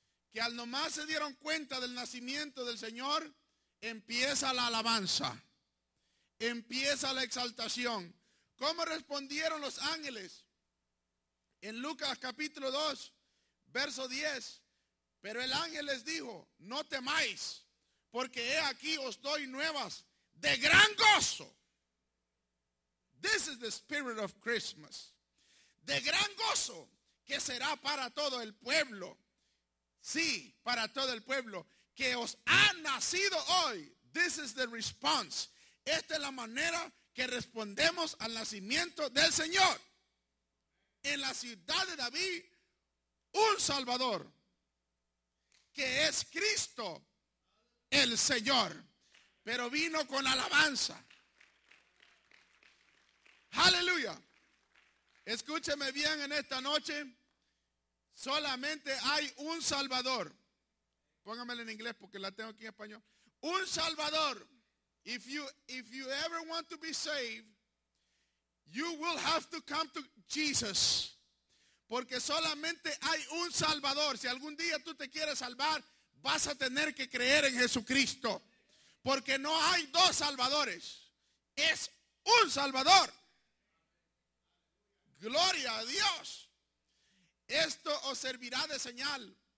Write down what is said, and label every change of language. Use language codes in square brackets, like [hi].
[es] Que al nomás se dieron cuenta del nacimiento del Señor, empieza la alabanza, empieza la exaltación. ¿Cómo respondieron los ángeles? En Lucas capítulo 2, verso 10. Pero el ángel les dijo, no temáis, porque he aquí os doy nuevas de gran gozo. [en] This is the spirit of Christmas. [es] De gran gozo que será para todo el pueblo. Sí, para todo el pueblo que os ha nacido hoy. [en] This is the response. [es] Esta es la manera que respondemos al nacimiento del Señor. En la ciudad de David, un Salvador, que es Cristo el Señor. Pero vino con alabanza. Aleluya. Escúcheme bien en esta noche. Solamente hay un Salvador. Póngamelo en inglés porque la tengo aquí en español. Un Salvador. [en] If you ever want to be saved, you will have to come to Jesus. [es] Porque solamente hay un Salvador. Si algún día tú te quieres salvar, vas a tener que creer en Jesucristo. Porque no hay dos Salvadores. Es un Salvador. Gloria a Dios. Esto os servirá de señal.